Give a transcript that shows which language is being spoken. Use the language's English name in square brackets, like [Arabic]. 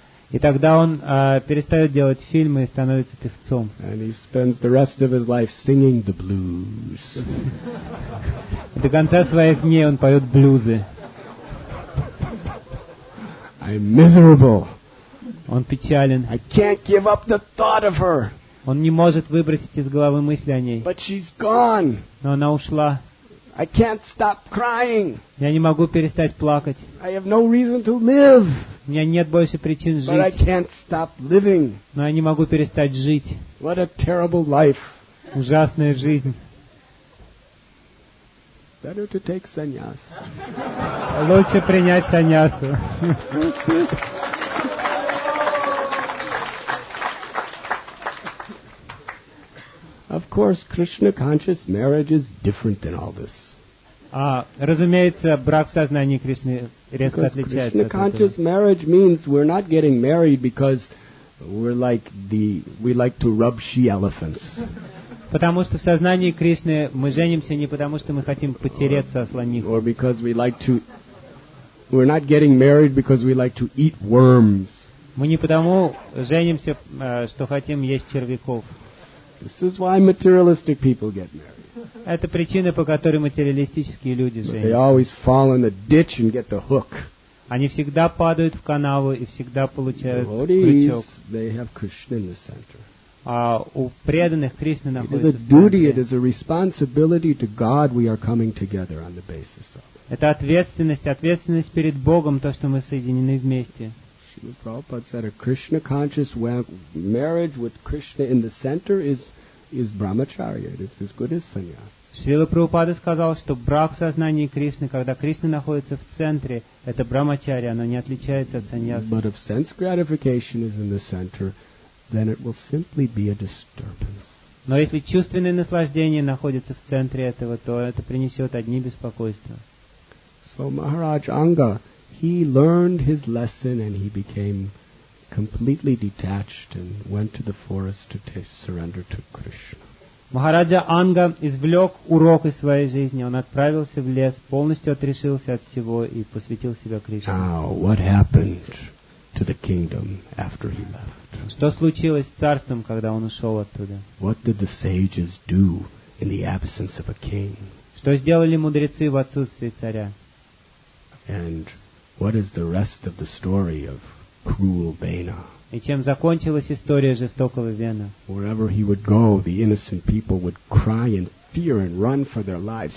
[Russian] И тогда он перестает делать фильмы и становится певцом. [English] And he spends the rest of his life singing the blues. [Russian] До конца своих дней он поет блюзы. [English] I'm miserable. [Russian] Он печален. [English] I can't give up the thought of her. [Russian] Он не может выбросить из головы мысли о ней. [English] But she's gone. [Russian] Но она ушла. [English] I can't stop crying. [Russian] Я не могу перестать плакать. [English] I have no reason to live. [Russian] У меня нет больше причин жить. [English] But I can't stop living. [Russian] Но я не могу перестать жить. [English] What a terrible life. [Russian] Ужасная жизнь. [English] Better to take sannyas. [Russian] Лучше принять саньясу. [English] Of course, Krishna conscious marriage is different than all this. [Russian] Разумеется, брак в сознании Кришны резко [English] because [Russian] отличается [English] Krishna [Russian] от [English] conscious [Russian] этого. [English] Marriage means we're not getting married because we're like the we like to rub she elephants. [Russian] Потому что в сознании Кришны мы женимся не потому что мы хотим потереться о слоних. [English] Or because we like to we're not getting married because we like to eat worms. [Russian] Мы не потому женимся, что хотим есть червяков. [English] This is why materialistic people get married. [Russian] Это причина, по которой материалистические люди женятся. [English] They always fall in the ditch and get the hook. [Russian] Они всегда падают в канаву и всегда получают крючок. [English] They have Krishna in the center. [Russian] У преданных Кришна находится. [English] It is a duty. It is a responsibility to God. We are coming together on the basis of. [Russian] Это ответственность, ответственность перед Богом, то, что мы соединены вместе. [English] Srila Prabhupada said a Krishna conscious marriage with Krishna in the center is brahmacharya. It is as good as sannyas. [Russian] Srila Prabhupada сказал, что брак в сознании Кришны, когда Кришна находится в центре, это брахмачарья, оно не отличается от саньяса. [English] But if sense gratification is in the center, then it will simply be a disturbance. [Russian] Но если чувственное наслаждение находится в центре этого, то это принесет одни беспокойства. [English] So Maharaj Anga, he learned his lesson and he became completely detached and went to the forest to surrender to Krishna. [Russian] Maharaja Anga извлек урок из своей жизни. Он отправился в лес, полностью отрешился от всего и посвятил себя Кришне. [English] Now, what happened to the kingdom after he left? [Russian] Что случилось с царством, когда он ушел оттуда? [English] What did the sages do in the absence of a king? [Russian] Что сделали мудрецы в отсутствии царя? [English] And what is the rest of the story of cruel Bena? [Russian] И чем закончилась история жестокого Вена? [English] Wherever he would go, the innocent people would cry in fear and run for their lives.